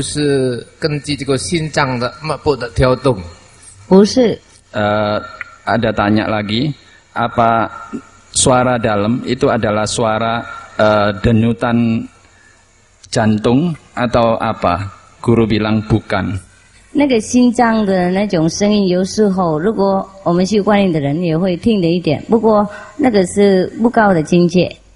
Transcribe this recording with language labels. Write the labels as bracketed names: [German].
[Chinese] 请问大师，内心的福音是不是根据这个心脏的脉搏的跳动？不是。 [Indonesian] Ada tanya lagi, apa suara dalam itu adalah suara denyutan jantung atau apa? Guru bilang bukan. [Chinese] 那个心脏的那种声音，有时候如果我们修观音的人也会听得一点，不过那个是不高的境界。